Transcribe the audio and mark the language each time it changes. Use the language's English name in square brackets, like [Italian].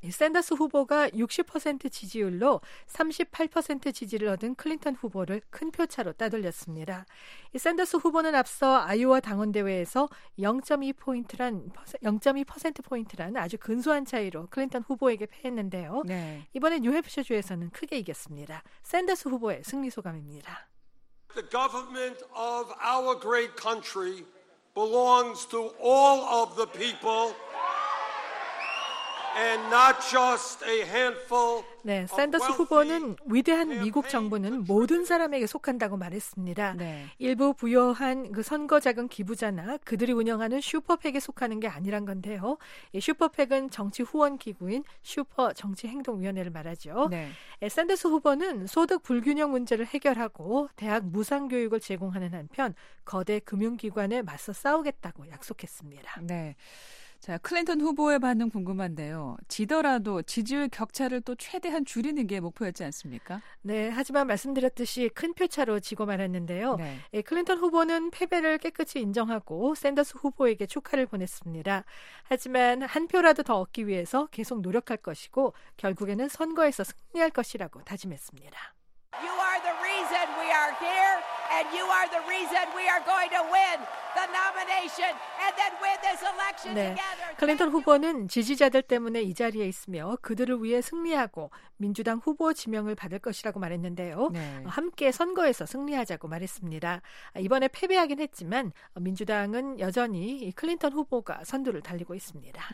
[Korean] 샌더스 후보가 60% 지지율로 38% 지지를 얻은 클린턴 후보를 큰 표차로 따돌렸습니다. 샌더스 후보는 앞서 아이오와 당원대회에서 0.2%포인트란 아주 근소한 차이로 클린턴 후보에게 패했는데요. 네. 이번에 뉴햄프셔주에서는 크게 이겼습니다. 샌더스 후보의 승리 소감입니다. [English] The government of our great country belongs to all of the people and not just a handful. [Korean] 네, 샌더스 후보는 위대한 미국 정부는 모든 사람에게 속한다고 말했습니다. 네. 일부 부여한 그 선거자금 기부자나 그들이 운영하는 슈퍼팩에 속하는 게 아니란 건데요. 이 슈퍼팩은 정치 후원기구인 슈퍼정치행동위원회를 말하죠. 네. 샌더스 후보는 소득 불균형 문제를 해결하고 대학 무상교육을 제공하는 한편 거대 금융기관에 맞서 싸우겠다고 약속했습니다. 네. 자, 클린턴 후보의 반응 궁금한데요. 지더라도 지지율 격차를 또 최대한 줄이는 게 목표였지 않습니까? 네, 하지만 말씀드렸듯이 큰 표차로 지고 말았는데요. 네. 예, 클린턴 후보는 패배를 깨끗이 인정하고 샌더스 후보에게 축하를 보냈습니다. 하지만 한 표라도 더 얻기 위해서 계속 노력할 것이고 결국에는 선거에서 승리할 것이라고 다짐했습니다. [English] You are the reason we are here and you are the reason we are going to win. The nomination and then win this election together. [Korean] 네. 클린턴 후보는 지지자들 때문에 이 자리에 있으며 그들을 위해 승리하고 민주당 후보 지명을 받을 것이라고 말했는데요. 네. 함께 선거에서 승리하자고 말했습니다. 이번에 패배하긴 했지만 민주당은 여전히 클린턴 후보가 선두를 달리고 있습니다.